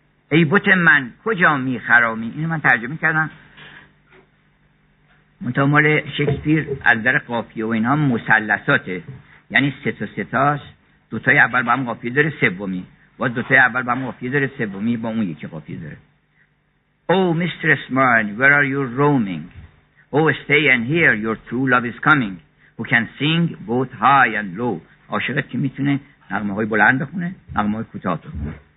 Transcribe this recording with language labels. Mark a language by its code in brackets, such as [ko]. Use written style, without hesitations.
[fa] ای بوت من کجا میخرامی، اینو من ترجمه کردم متامل شکسپیر از در قافیه و اینا مثلثاته، یعنی سه تا سه تاست، دو تای اول با هم قافیه داره سومی، با دو تای اول با هم قافیه داره سومی با اون یکی قافیه داره. [en] Oh, mistress mine, where are you roaming? Oh, stay and hear, your true love is coming. Who can sing both high and low? [fa] عاشقت که میتونه نغمه های بلند بخونه، نغمه های کوتاه بخونه.